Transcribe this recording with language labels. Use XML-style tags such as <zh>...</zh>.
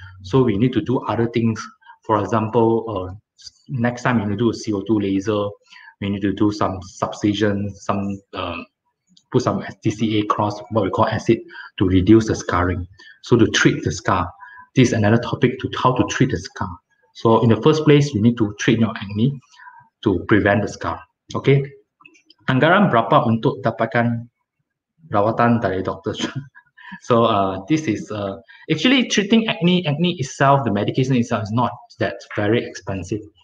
<en>So we need to do other things. For example, next time you need to do a CO2 laser, we need to do some subcision, put some SDCA cross, what we call acid, to reduce the scarring. So to treat the scar, this is another topic to how to treat the scar. So in the first place, you need to treat your acne to prevent the scar, okay?</en> <ms>Anggaran berapa untuk dapatkan rawatan dari doktor?</ms> <en>So this is actually treating acne itself, the medication itself is not that very expensive.</en>